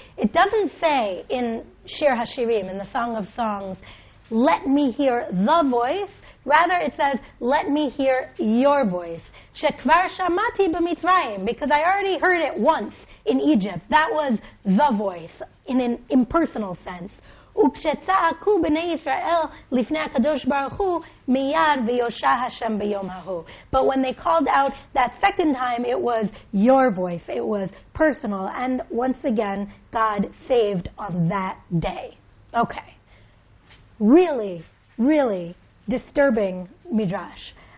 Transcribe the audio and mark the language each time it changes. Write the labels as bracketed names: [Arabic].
[English] It doesn't say in Shir HaShirim, in the Song of Songs, let me hear the voice. Rather, it says, let me hear your voice. [Hebrew] Shekvar shamati b'mitzrayim, [English] because I already heard it once in Egypt. That was the voice, in an impersonal sense. [Hebrew] וכשצעקו בני ישראל לפני הקדוש ברוך הוא, מיד ויושע השם ביום ההוא. [English] But when they called out that second time, it was your voice. It was personal. And once again, God saved on that day. Okay. Really, really disturbing midrash.